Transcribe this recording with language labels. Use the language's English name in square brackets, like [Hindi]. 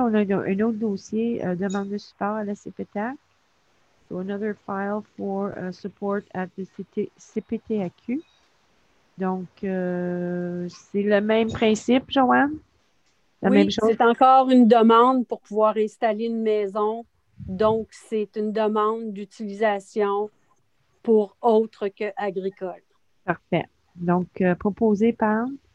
[French] On a un autre dossier, demande de support à la CPTAQ. [English] So another file for support at the CPTAQ. [French] Donc, c'est le même principe, Joanne? La oui, même chose. C'est encore une demande pour pouvoir installer une maison. Donc, c'est une demande d'utilisation pour autre que agricole. Parfait. Donc, proposé par?